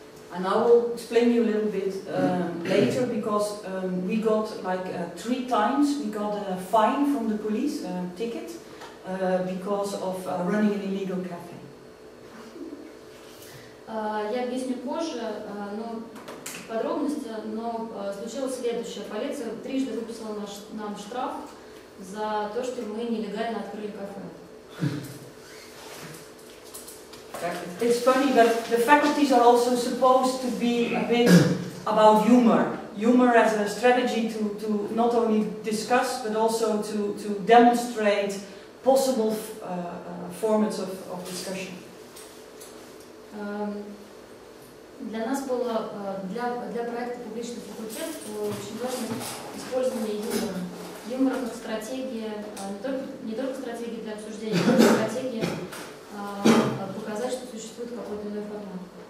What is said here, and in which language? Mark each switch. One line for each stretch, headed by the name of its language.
English: And I will explain you a little bit later, because we got like three times we got a fine from the police, a ticket, because of running an illegal cafe.
Russian: Я объясню позже, но подробности, но случилось следующее. Полиция трижды выписала нам штраф за то, что мы нелегально открыли кафе.
English: It's funny, but the faculties are also supposed to be a bit about humor. Humor as a strategy to not only discuss, but also to demonstrate possible formats of discussion.
Russian: Для нас было для проекта публичный факультет очень важно использование юмора. Юмор как стратегия, не только стратегия для обсуждения, но и стратегия показать, что существует какой-то иной формат.